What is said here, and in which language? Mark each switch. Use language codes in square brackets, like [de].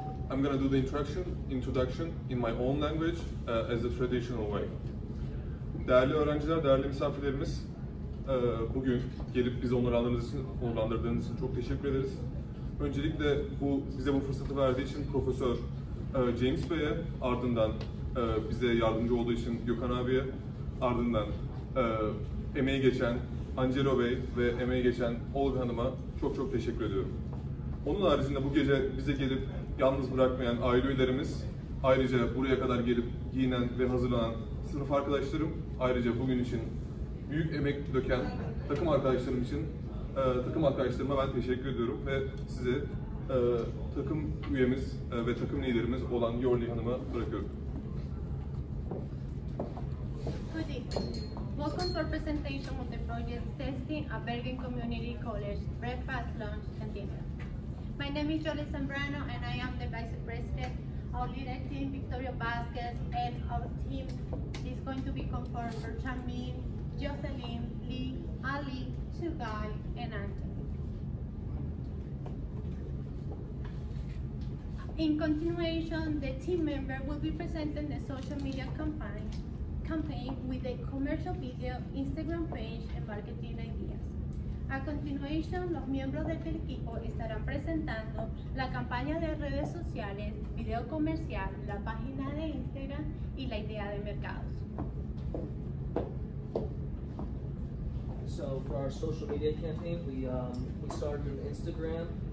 [en] I'm gonna do the introduction in my own language as the traditional way. [tr] Değerli öğrenciler, değerli misafirlerimiz, bugün gelip bizi onurlandırdığınız için çok teşekkür ederiz. Öncelikle bize bu fırsatı verdiği için Profesör James Bey'e, ardından bize yardımcı olduğu için Gökhan abiye, ardından emeği geçen Angelo Bey ve emeği geçen Olga Hanım'a çok çok teşekkür ediyorum. Onun haricinde bu gece bize gelip yalnız bırakmayan aile üyelerimiz, ayrıca buraya kadar gelip giyinen ve hazırlanan sınıf arkadaşlarım, ayrıca bugün için büyük emek döken takım arkadaşlarım için takım arkadaşlarıma ben teşekkür ediyorum ve size takım üyemiz ve takım liderimiz olan Yorli Hanım'a bırakıyorum. Hadi. [en] Welcome to our presentation of the project Testing at Bergen Community College Breakfast, Lunch, and Dinner. My name is Jolie Zambrano and I am the Vice President. Our leader team, Victoria Vasquez, and our team is going to be confirmed for Chamin, Jocelyn, Lee, Ali, Chugai, and Anthony. In continuation, the team member will be presenting the social media campaign with a commercial video, Instagram page, and marketing ideas. [es] A continuación, los miembros del equipo estarán presentando la campaña de redes sociales, video comercial, la página de Instagram y la idea de mercados. [en] So for our social media campaign, we started on Instagram.